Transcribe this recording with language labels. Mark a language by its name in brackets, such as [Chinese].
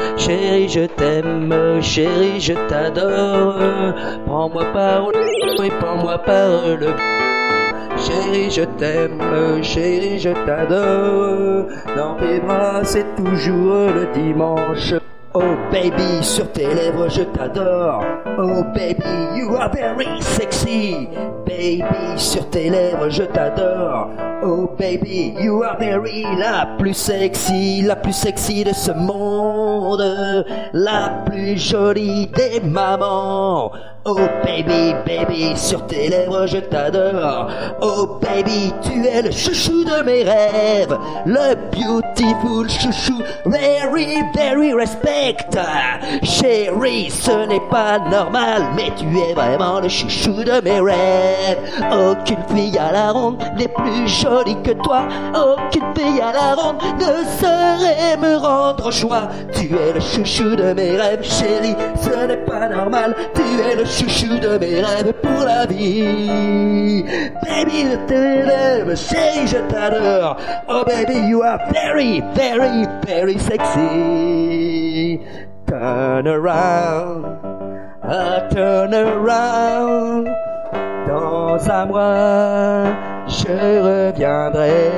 [French] Chérie, je t'aime, chérie, je t'adore. Prends-moi par le cou et prends-moi par le cou. Chérie, je t'aime, chérie, je t'adore. Dans tes bras, c'est toujours le dimanche. Oh baby, sur tes lèvres je t'adore. [English] Oh baby, you are very sexy. [French] Baby, sur tes lèvres je t'adore. Oh baby, [English] you are very [French] la plus sexy de ce monde, la plus jolie des mamans. Oh baby, baby, sur tes lèvres je t'adore. Oh baby, tu es le chouchou de mes rêves, le [English] beautiful [French] chouchou, [English] very, very respect. [French] Chérie, ce n'est pas normal, mais tu es vraiment le chouchou de mes rêves. Aucune fille à la ronde n'est plus jolie que toi, aucune fille à la ronde ne saurait me rendre joie. Tu es le chouchou de mes rêves, chérie, ce n'est pas normal, tu es le chouchou de mes rêves pour la vie. Baby, je t'aime, chérie, je t'adore. [English] Oh baby, you are very, very, very sexy. Turn around, turn around. [French] Dans un mois, je reviendrai.